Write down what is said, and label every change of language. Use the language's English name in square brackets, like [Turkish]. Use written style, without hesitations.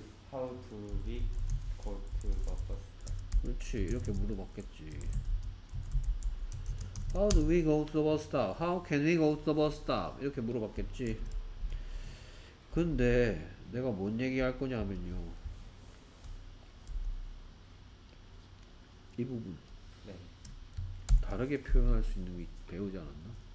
[English] How to we go to the bus stop? [Korean] 그렇지, 이렇게 물어봤겠지. [English] How do we go to the bus stop? How can we go to the bus stop? [Korean] 이렇게 물어봤겠지. 근데 내가 뭔 얘기할 거냐면요, 이 부분 다르게 표현할 수 있는 게 배우지 않았나?